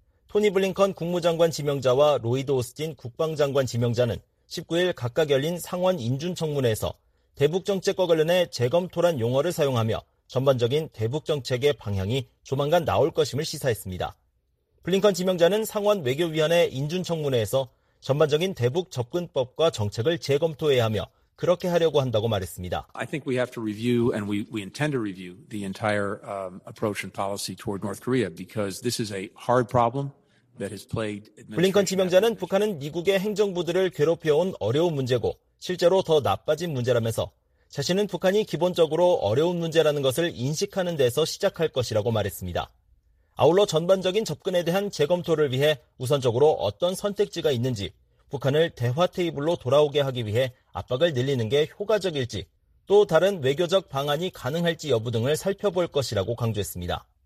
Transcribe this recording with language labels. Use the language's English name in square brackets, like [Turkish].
[Korean] 토니 블링컨 국무장관 지명자와 로이드 오스틴 국방장관 지명자는 19일 각각 열린 상원 인준청문회에서 대북정책과 관련해 재검토란 용어를 사용하며 전반적인 대북정책의 방향이 조만간 나올 것임을 시사했습니다. 블링컨 지명자는 상원 외교위원회 인준청문회에서 전반적인 대북 접근법과 정책을 재검토해야 하며 그렇게 하려고 한다고 말했습니다. [English] I think we have to review and we intend to review the entire approach and policy toward North Korea because this is a hard problem that has plagued. [Korean] 블링컨 지명자는 북한은 미국의 행정부들을 괴롭혀온 어려운 문제고 실제로 더 나빠진 문제라면서 자신은 북한이 기본적으로 어려운 문제라는 것을 인식하는 데서 시작할 것이라고 말했습니다. 아울러 전반적인 접근에 대한 재검토를 위해 우선적으로 어떤 선택지가 있는지 북한을 대화 테이블로 돌아오게 하기 위해 압박을 늘리는 게 효과적일지 또 다른 외교적 방안이 가능할지 여부 등을 살펴볼 것이라고 강조했습니다.